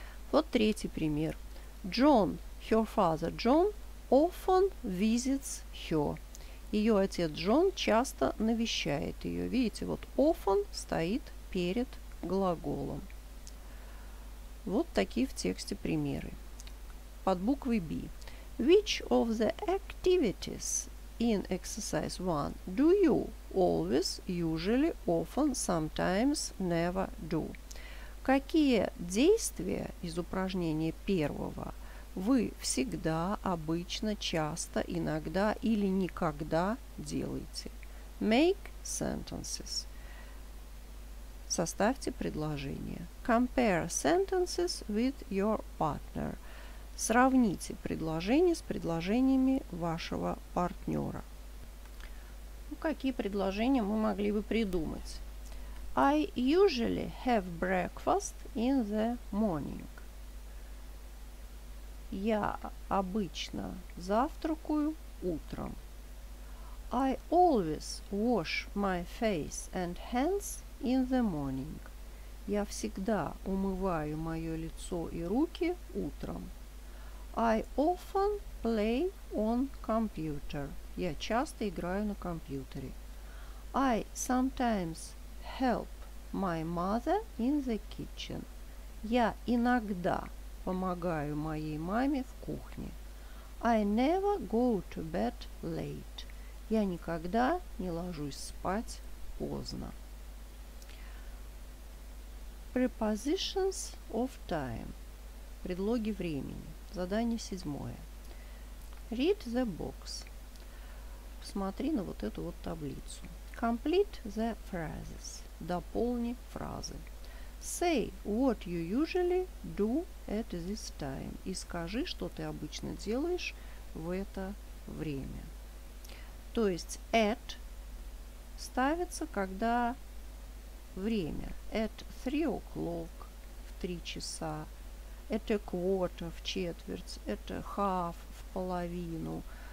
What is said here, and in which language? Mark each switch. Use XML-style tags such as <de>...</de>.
<ru>Вот третий пример.</ru> <en>John, her father John, often visits her.</en> <ru>Ее отец Джон часто навещает ее. Видите, вот often стоит перед глаголом. Вот такие в тексте примеры. Под буквой B.</ru> <en>Which of the activities in exercise 1 do you always, usually, often, sometimes, never do?</en> <ru>Какие действия из упражнения первого вы всегда, обычно, часто, иногда или никогда делаете?</ru> <en>Make sentences.</en> <ru>Составьте предложение.</ru> <en>Compare sentences with your partner.</en> <ru>Сравните предложение с предложениями вашего партнера. Ну, какие предложения мы могли бы придумать?</ru> <en>I usually have breakfast in the morning.</en> <ru>Я обычно завтракаю утром.</ru> <en>I always wash my face and hands in the morning.</en> <ru>Я всегда умываю мое лицо и руки утром.</ru> <en>I often play on computer.</en> <ru>Я часто играю на компьютере.</ru> <en>I sometimes help my mother in the kitchen.</en> <ru>Я иногда помогаю моей маме в кухне.</ru> <en>I never go to bed late.</en> <ru>Я никогда не ложусь спать поздно.</ru> <en>Prepositions of time.</en> <ru>Предлоги времени. Задание седьмое.</ru> <en>Read the box.</en> <ru>Посмотри на вот эту вот таблицу.</ru> <en>Complete the phrases.</en> <ru>Дополни фразы.</ru> <en>Say what you usually do at this time.</en> <ru>И скажи, что ты обычно делаешь в это время. То есть at ставится, когда время.</ru> <en>At 3 o'clock,</en> <ru>в 3 часа.</ru> <en>At a quarter,</en> <ru>в четверть.</ru> <en>At a half,</en> <ru>в половину.</ru>